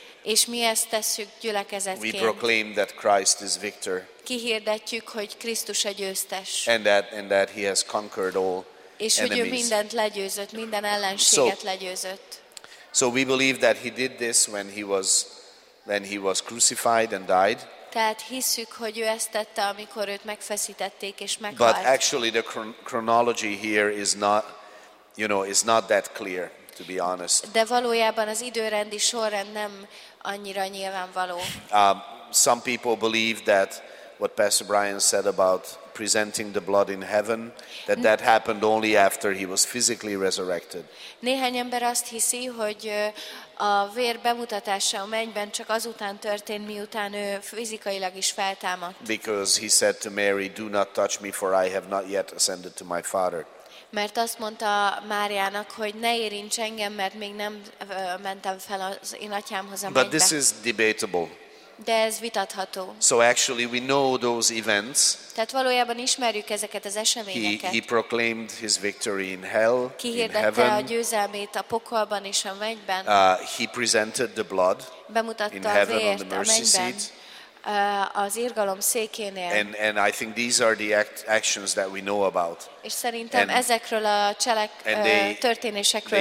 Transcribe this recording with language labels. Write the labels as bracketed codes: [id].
[hu] És mi ezt tesszük gyülekezetként. [en] We proclaim that Christ is victor. [hu] Kihirdetjük, hogy Krisztus a győztes. [en] And that he has conquered all [hu] és [en] enemies. [hu] Hogy ő mindent legyőzött, minden ellenséget legyőzött. [en] So we believe that he did this when he was crucified and died. [hu] Tehát hisszük, hogy ő ezt tette, amikor őt megfeszítették és meghalt. [en] But actually the chronology here is not, you know, is not that clear, to be honest. [hu] De valójában az időrendi sorrend nem annyira nyilvánvaló. [en] Some people believe that what Pastor Brian said about presenting the blood in heaven, that happened only after he was physically resurrected. [hu] Néhány ember azt hiszi, hogy a vér bemutatása a mennyben csak azután történt, miután ő fizikailag is feltámadt. [en] Because he said to Mary, "Do not touch me, for I have not yet ascended to my Father." [hu] Mert azt mondta Máriának, hogy ne érints engem, mert még nem mentem fel az én atyámhoz a mennybe. [en] But this is debatable. [hu] De ez vitatható. [en] So actually we know those events. [hu] Tehát valójában ismerjük ezeket az eseményeket. [en] He proclaimed his victory in hell, [hu] kihirdette [en] in heaven. [hu] A győzelmét a pokolban és a mennyben. [en] He presented the blood [hu] bemutatta [en] in heaven [hu] a vért, [en] on the mercy seat. [hu] Az irgalom székénél. [en] And I think these are the actions that we know about. [hu] És szerintem [en] and, [hu] ezekről a cselek történésekről